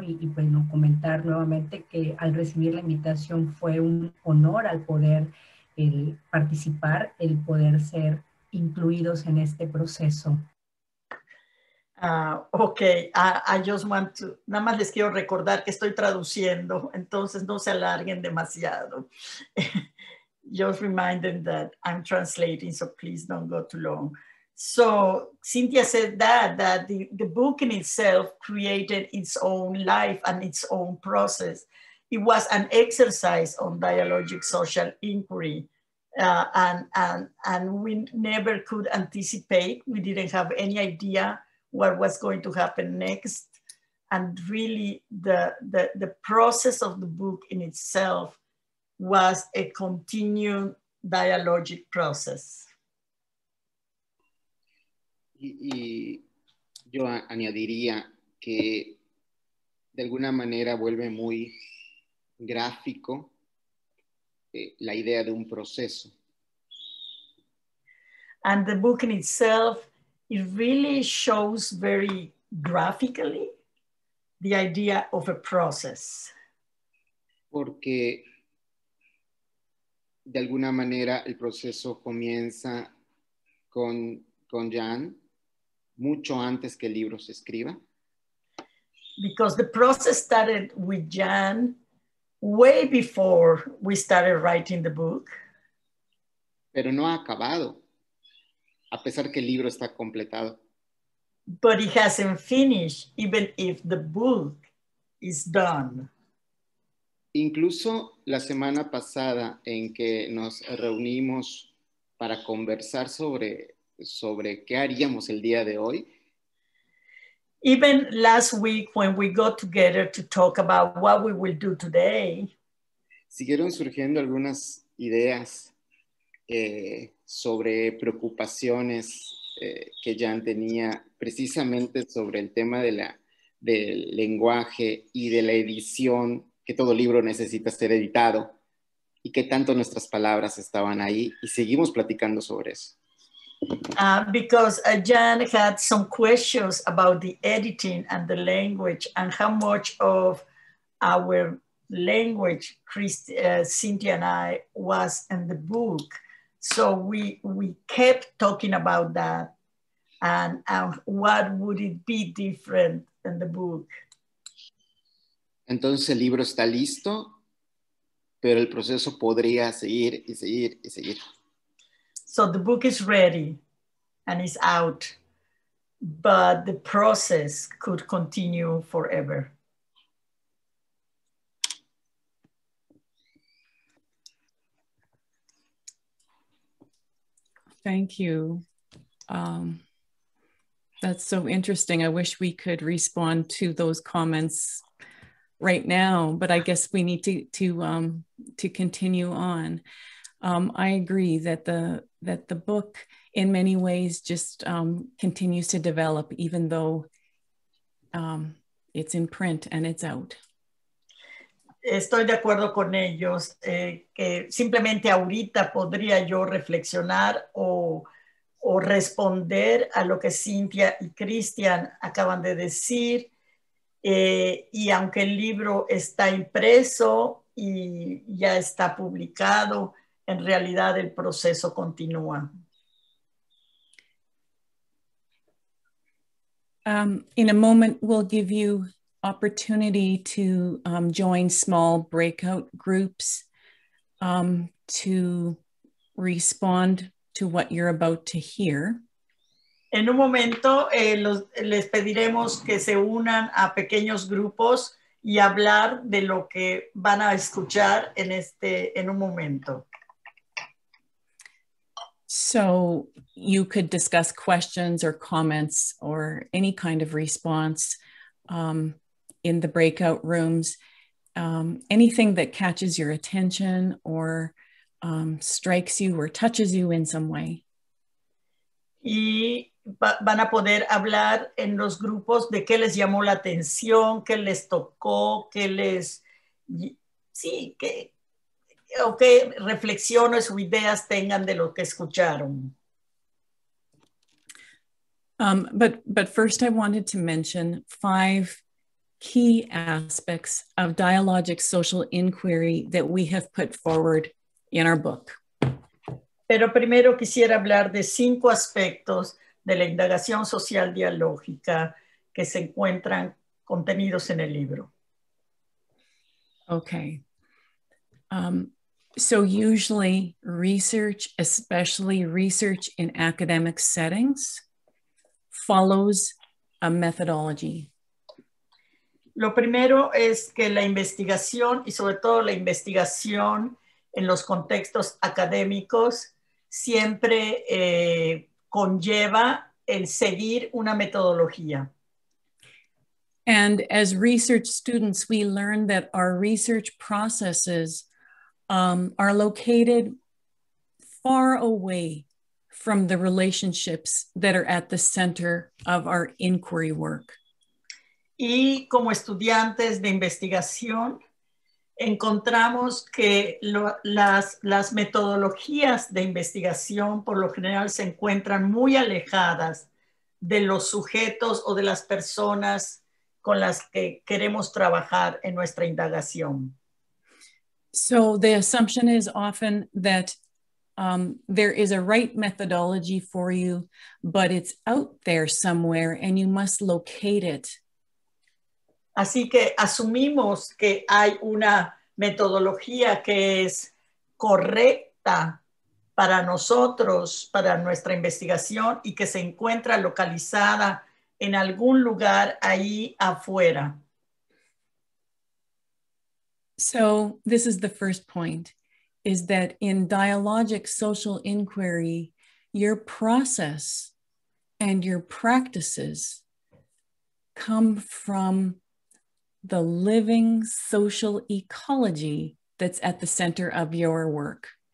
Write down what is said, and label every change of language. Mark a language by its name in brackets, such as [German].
[Spanish] Y bueno, comentar nuevamente que al recibir la invitación fue un honor al poder el participar, el poder ser incluidos en este proceso. [English] I just want to, [Spanish] nada más les quiero recordar que estoy traduciendo, entonces no se alarguen demasiado. [English] Just remind them that I'm translating, so please don't go too long. So Cynthia said that the book in itself created its own life and its own process. It was an exercise on dialogic social inquiry. And we never could anticipate. We didn't have any idea what was going to happen next. And really, the process of the book in itself was a continued dialogic process. [Spanish] Y yo añadiría que de alguna manera vuelve muy gráfico la idea de un proceso. [English] And the book in itself, it really shows very graphically the idea of a process. [Spanish] Porque de alguna manera el proceso comienza con Jan mucho antes que el libro se escriba. [English] Because the process started with Jan way before we started writing the book. [Spanish] Pero no ha acabado. A pesar que el libro está completado. [English] But it hasn't finished, even if the book is done. [Spanish] Incluso la semana pasada en que nos reunimos para conversar sobre qué haríamos el día de hoy. [English] Even last week when we got together to talk about what we will do today. [Spanish] Siguieron surgiendo algunas ideas sobre preocupaciones que Jan tenía precisamente sobre el tema de del lenguaje y de la edición, que todo libro necesita ser editado y que tanto nuestras palabras estaban ahí, y seguimos platicando sobre eso. [English] Because Jan had some questions about the editing and the language and how much of our language Cynthia and I was in the book. So we kept talking about that and what would it be different in the book. [Spanish] Entonces el libro está listo, pero el proceso podría seguir y seguir y seguir. [English] So the book is ready and it's out, but the process could continue forever. Thank you. That's so interesting. I wish we could respond to those comments right now, but I guess we need to continue on. I agree that the book in many ways just continues to develop, even though it's in print and it's out. [Spanish] Estoy de acuerdo con ellos, que simplemente ahorita podría yo reflexionar o responder a lo que Cynthia y Christian acaban de decir. Y aunque el libro está impreso y ya está publicado, en realidad el proceso continúa. [English] In a moment, we'll give you opportunity to join small breakout groups to respond to what you're about to hear. [Spanish] En un momento, les pediremos que se unan a pequeños grupos y hablar de lo que van a escuchar en un momento. [English] So you could discuss questions or comments or any kind of response in the breakout rooms. Anything that catches your attention or strikes you or touches you in some way. [Spanish] Y van a poder hablar en los grupos de qué les llamó la atención, qué les tocó, qué les... Sí, qué... O qué reflexiones o ideas tengan de lo que escucharon. [English] But first I wanted to mention 5 key aspects of dialogic social inquiry that we have put forward in our book. [Spanish] Pero primero quisiera hablar de 5 aspectos de la indagación social dialógica que se encuentran contenidos en el libro. [English] Okay. So usually research, especially research in academic settings, follows a methodology. [Spanish] Lo primero es que la investigación y sobre todo la investigación en los contextos académicos siempre conlleva el seguir una metodología. [English] And as research students, we learn that our research processes are located far away from the relationships that are at the center of our inquiry work. [Spanish] Y como estudiantes de investigación, encontramos que las metodologías de investigación por lo general se encuentran muy alejadas de los sujetos o de las personas con las que queremos trabajar en nuestra indagación. [English] So the assumption is often that there is a right methodology for you, but it's out there somewhere and you must locate it. [Spanish] Así que asumimos que hay una metodología que es correcta para nosotros, para nuestra investigación, y que se encuentra localizada en algún lugar ahí afuera. [English] So this is the first point, is that in dialogic social inquiry, your process and your practices come from the living social ecology that's at the center of your work.